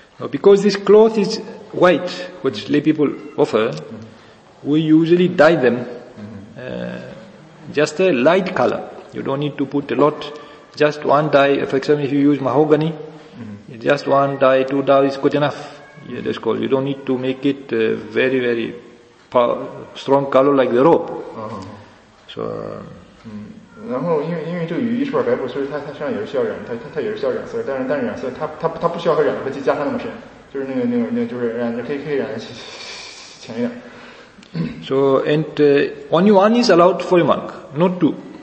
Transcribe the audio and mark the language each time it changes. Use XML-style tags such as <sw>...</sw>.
<en>Because this cloth is white, which lay people offer, we usually dye them just a light color. You don't need to put a lot, just one dye. For example, if you use mahogany, just one dye, two dye is good enough. Yeah, that's called. You don't need to make it very, very strong color like the rope. So.</en> <zh>然后因为这个雨衣是块白布，所以它实际上也是需要染，它也是需要染色，但是染色它不需要它染的会加上那么深，就是那个就是染的可以染的浅一点。</zh> <en>So and only one is allowed for a monk, not two.</en>